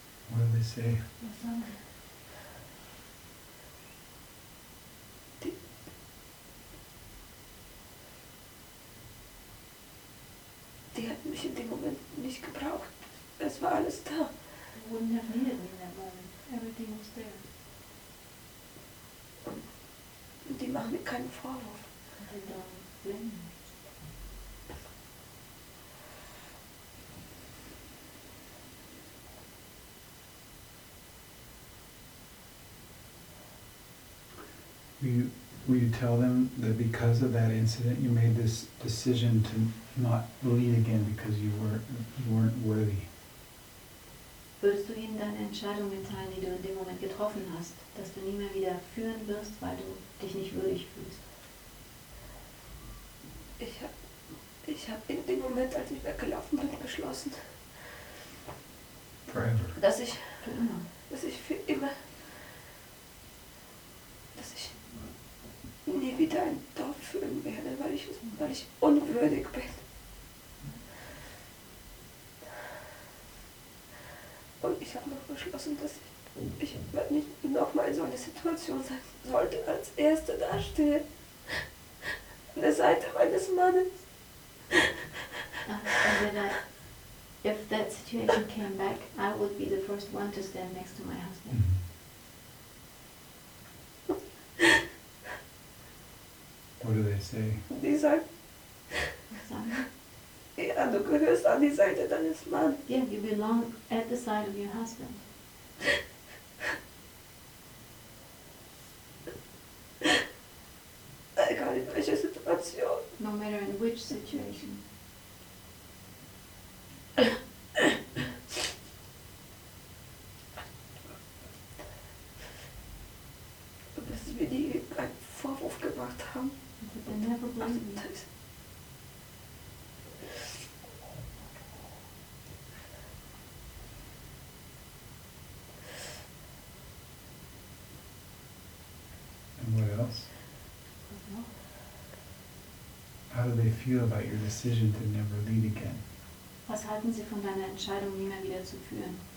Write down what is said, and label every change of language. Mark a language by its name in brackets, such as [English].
[English] What did they say? [German] Die hat mich in dem Moment nicht gebraucht. Es war alles da. [English] You wouldn't have needed me in that moment. Everything was there. [German] Und die machen mir keinen Vorwurf. [English] And they don't blame me. Will you tell them that because of that incident you made this decision to not bleed again because you weren't worthy? [German] Würdest du ihnen deine Entscheidung mitteilen, die du in dem Moment getroffen hast, dass du nie mehr wieder führen wirst, weil du dich nicht würdig fühlst? Ich hab in dem Moment, als ich weggelaufen bin, beschlossen, [English] forever. [German] dass ich für immer nie wieder ein Dorf führen werde, weil ich unwürdig bin. Und ich habe noch beschlossen, dass ich nicht nochmal in so einer Situation sein sollte, als Erste dastehen. An der Seite meines Mannes. [English] If that situation came back, I would be the first one to stand next to my husband. What do they say? [German] Die sagen, ja, du gehörst an die Seite deines Mannes. [English] Yeah, you belong at the side of your husband. [German] Egal in welcher Situation. [English] No matter in which situation. [German] Du bist wie die einen Vorwurf gemacht haben. [English] They never blame me. And what else? How do they feel about your decision to never lead again? [German] Was halten sie von deiner Entscheidung, nie mehr wieder zu führen?